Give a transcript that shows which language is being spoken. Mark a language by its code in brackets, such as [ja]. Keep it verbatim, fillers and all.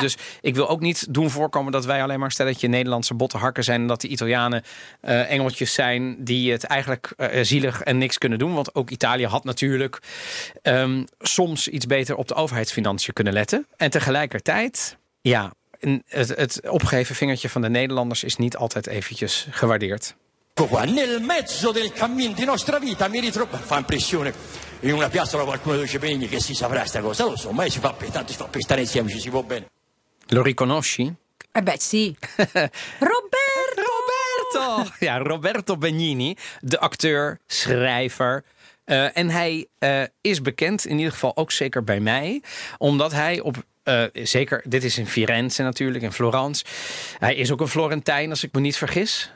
[nl] Ja. Dus ik wil ook niet doen voorkomen dat wij alleen maar stelletje Nederlandse bottenharken zijn en dat de Italianen uh, engeltjes zijn die het eigenlijk uh, zielig en niks kunnen doen. Want ook Italië had natuurlijk um, soms iets beter op de overheidsfinanciën kunnen letten. En tegelijkertijd, ja... Het, het opgeheven vingertje van de Nederlanders is niet altijd eventjes gewaardeerd. [it] Nel mezzo del cammin di nostra vita mi ritrovo. Fa impressione. In una piazza qualcuno dice Pegni che si saprà sta cosa. Lo so, mai si fa per tanto, si fa per stare insieme, ci si può bene. Lo riconosci? Eh beh, sì. Roberto! Roberto! [nl] Ja, Roberto Benigni, de acteur, schrijver. Uh, en hij uh, is bekend, in ieder geval ook zeker bij mij, omdat hij op Uh, zeker, dit is in Firenze natuurlijk, in Florence. Hij is ook een Florentijn, als ik me niet vergis.